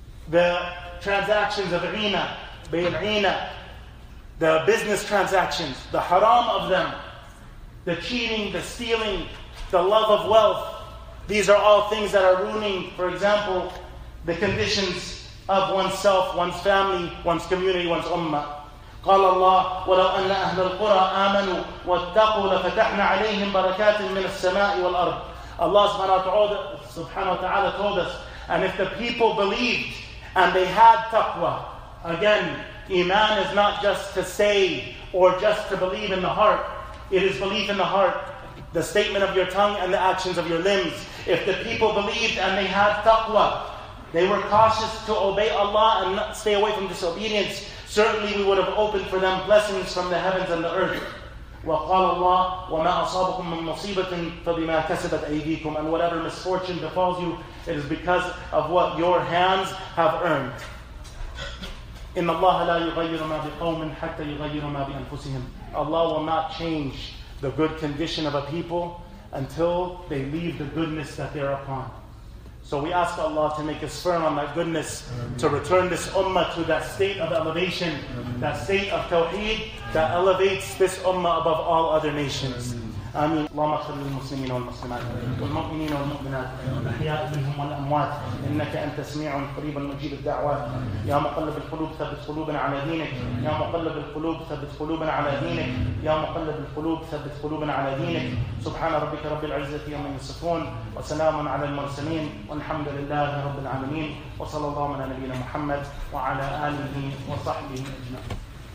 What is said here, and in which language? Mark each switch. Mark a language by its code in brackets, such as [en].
[en] The transactions of ghina, bayl ghina, the business transactions, the haram of them, the cheating, the stealing, the love of wealth, these are all things that are ruining, for example, the conditions of oneself, one's family, one's community, one's ummah. [ar] قال الله ولو أن أهل القرى آمنوا واتقوا لفتحنا عليهم بركات من السماء والأرض. [en] Allah subhanahu wa ta'ala told us, and if the people believed and they had taqwa, again, iman is not just to say or just to believe in the heart. It is belief in the heart, the statement of your tongue and the actions of your limbs. If the people believed and they had taqwa, they were cautious to obey Allah and not stay away from disobedience, certainly we would have opened for them blessings from the heavens and the earth. [ar] وقال الله وما أصابكم من مصيبة فبما كسبت أيديكم. [en] And whatever misfortune befalls you, it is because of what your hands have earned. [ar] إن الله لا يغير ما بقوم حتى يغير ما بأنفسهم. [en] Allah will not change the good condition of a people until they leave the goodness that they're upon. So we ask Allah to make us firm on that goodness, Amen. To return this ummah to that state of elevation, Amen. That state of tawheed that elevates this ummah above all other nations. Amen. [ar] آمين. اللهم اغفر للمسلمين والمسلمات والمؤمنين والمؤمنات الأحياء منهم والأموات إنك أنت سميع قريب مجيب الدعوات. يا مقلب القلوب ثبت قلوبنا على دينك. يا مقلب القلوب ثبت قلوبنا على دينك. يا مقلب القلوب ثبت قلوبنا على دينك. سبحان ربك رب العزة يوم يصفون وسلام على المرسلين والحمد لله رب العالمين وصلى الله على نبينا محمد وعلى آله وصحبه أجمعين.